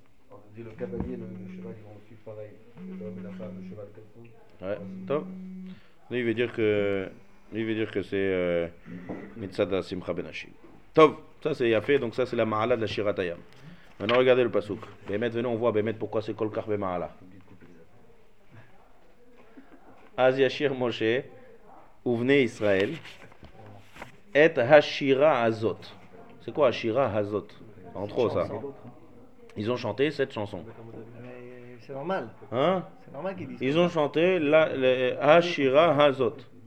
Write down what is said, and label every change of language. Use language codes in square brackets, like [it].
[fr] On dit le cavalier et le cheval, ils vont suivre pareil. L'homme et la femme, le cheval, quelque chose. Ouais, top. Lui, il veut dire que. Lui, il veut dire que c'est. [he] Mitzada Simcha Benashim. [fr] Top. Ça, c'est Yafé, donc ça, c'est la Mahala de la Shiratayam. Maintenant, regardez le Pasuk. Bémet, venez, on voit Bémet pourquoi c'est Kolkar Be Mahala. [he] אז ישיר משה ובני ישראל את השירה הזאת. [fr] C'est quoi [he] השירה הזאת? [fr] Entre autres, ça. Ils ont chanté cette chanson. Mais c'est normal. Hein? C'est normal qu'ils disent. Ils ont chanté la [he] השירה הזאת.